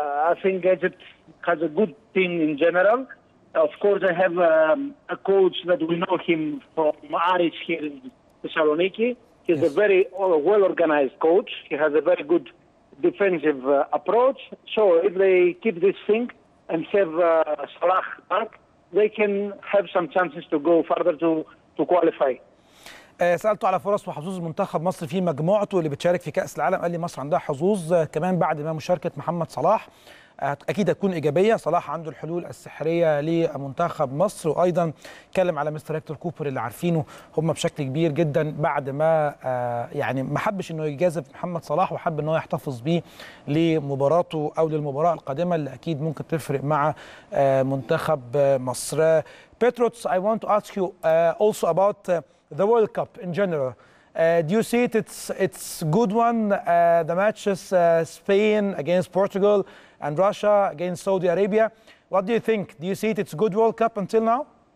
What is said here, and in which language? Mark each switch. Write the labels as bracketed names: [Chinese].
[English] I think Egypt has a good team in general. Of course, I have a coach that we know him from Aris here in Thessaloniki. He's a very well-organized coach. He has a very good defensive approach. So if they keep this thing and have Salah back, they can have some chances to go further to qualify. [Arabic] سألته على فرص وحظوظ منتخب مصر في مجموعته اللي بتشارك في كأس العالم، قال لي مصر عندها حظوظ كمان بعد ما مشاركة محمد صلاح أكيد هتكون إيجابية، صلاح عنده الحلول السحرية لمنتخب مصر، وأيضا اتكلم على مستر هيكتور كوبر اللي عارفينه هم بشكل كبير جدا بعد ما يعني ما حبش إنه يجازف محمد صلاح وحب إنه يحتفظ بيه لمباراته أو للمباراة القادمة اللي أكيد ممكن تفرق مع منتخب مصر. [English] بيتروتس، I want to ask you also about the World Cup in general. Do you see it? It's good one. The matches Spain against Portugal and Russia against Saudi Arabia. What do you think? Do you see it? It's good World Cup until now.